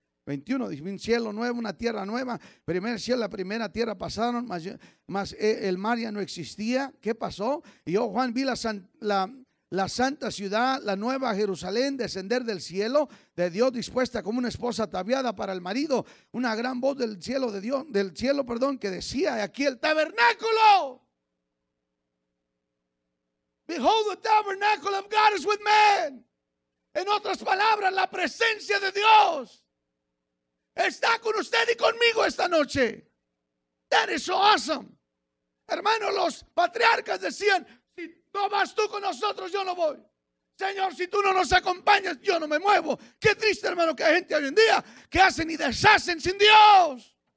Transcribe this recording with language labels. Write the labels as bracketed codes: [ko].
[es] 21, dice, un cielo nuevo, una tierra nueva. Primer cielo, la primera tierra pasaron, más el mar ya no existía. ¿Qué pasó? Y yo, Juan, vi la santa ciudad, la nueva Jerusalén, descender del cielo de Dios, dispuesta como una esposa ataviada para el marido. Una gran voz del cielo de Dios, del cielo, perdón, que decía, aquí el tabernáculo. [en] Behold, the tabernacle of God is with men. [es] En otras palabras, la presencia de Dios está con usted y conmigo esta noche. [en] That is so awesome. [es] Hermano, los patriarcas decían, si no vas tú con nosotros, yo no voy. Señor, si tú no nos acompañas, yo no me muevo. Qué triste, hermano, que hay gente hoy en día que hacen y deshacen sin Dios.